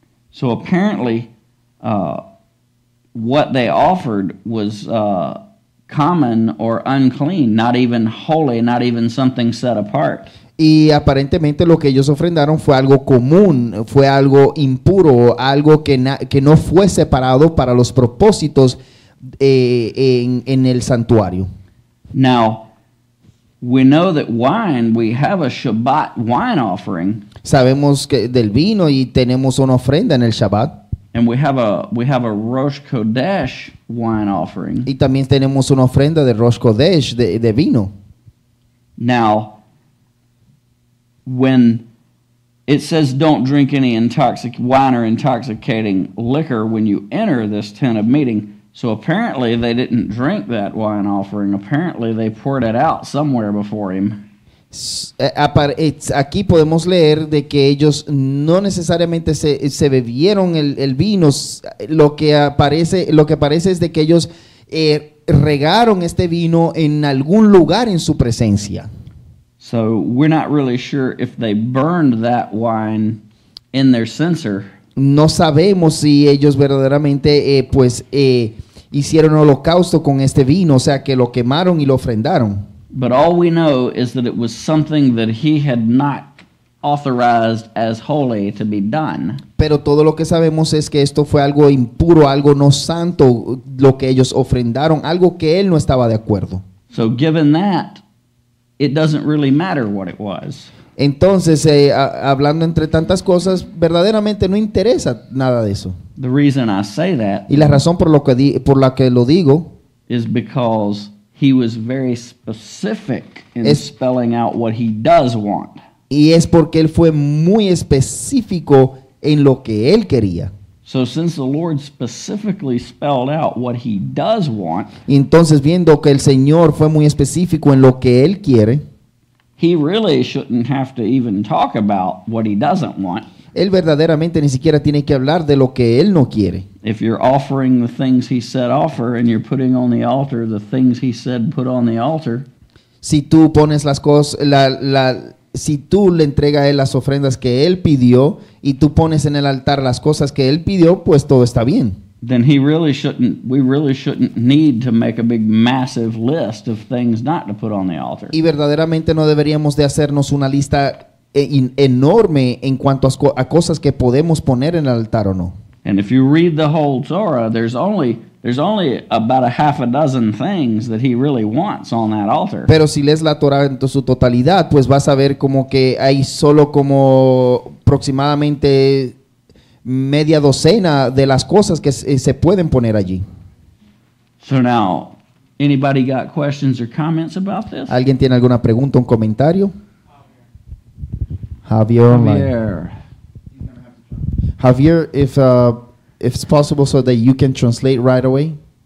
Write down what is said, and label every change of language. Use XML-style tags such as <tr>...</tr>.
<en>So apparently, what they offered was common or unclean, not even holy, not even something set apart.</en> <es>Y aparentemente lo que ellos ofrendaron fue algo común, fue algo impuro, algo que no fue separado para los propósitos en el santuario.</es> <en>Now, we know that wine, we have a Shabbat wine offering.</en> <es>Sabemos que del vino y tenemos una ofrenda en el Shabbat.</es> <en>And we have a Rosh Kodesh wine offering.</en> <es>Y también tenemos una ofrenda de Rosh Kodesh de vino.</es> <en>Now, when It says, don't drink any wine or intoxicating liquor when you enter this tent of meeting. So apparently they didn't drink that wine offering. Apparently they poured it out somewhere before him.</en> <es>Aquí podemos leer de que ellos no necesariamente se bebieron el vino. Lo que aparece es de que ellos regaron este vino en algún lugar en su presencia.</es> <en>So we're not really sure if they burned that wine in their censer.</en> <es>No sabemos si ellos verdaderamente hicieron holocausto con este vino, o sea que lo quemaron y lo ofrendaron.</es> <en>But all we know is that it was something that he had not authorized as holy to be done.</en> <es>Pero todo lo que sabemos es que esto fue algo impuro, algo no santo, lo que ellos ofrendaron, algo que él no estaba de acuerdo.</es> <en>So given that, it doesn't really matter what it was.</en> <es>Entonces, hablando entre tantas cosas, verdaderamente no interesa nada de eso.</es> <en>The reason I say that,</en> <es>y la razón por la que lo digo,</es> <en>is because he was very specific in spelling out what he does want.</en> <es>Y es porque él fue muy específico en lo que él quería.</es> <en>So since the Lord specifically spelled out what he does want,</en> <es>y entonces viendo que el Señor fue muy específico en lo que él quiere,</es> <en>he really shouldn't have to even talk about what he doesn't want.</en> <es>Él verdaderamente ni siquiera tiene que hablar de lo que él no quiere.</es> <en>If you're offering the things he said offer and you're putting on the altar the things he said put on the altar.</en> <es>Si tú pones las cosas, si tú le entregas a él las ofrendas que él pidió y tú pones en el altar las cosas que él pidió, pues todo está bien.</es> <en>Then we really shouldn't need to make a big massive list of things not to put on the altar.</en> <es>Y verdaderamente no deberíamos de hacernos una lista enorme en cuanto a cosas que podemos poner en el altar o no.</es> <en>And if you read the whole Torah, there's only about a half a dozen things that he really wants on that altar.</en> <es>Pero si lees la Torah en su totalidad, pues vas a ver como que hay solo como aproximadamente media docena de las cosas que se pueden poner allí.</es> <en>So now, anybody got questions or comments about this?</en> <es>¿Alguien tiene alguna pregunta o un comentario?</es> <en>Javier, if it's possible so that you can translate right away.</en>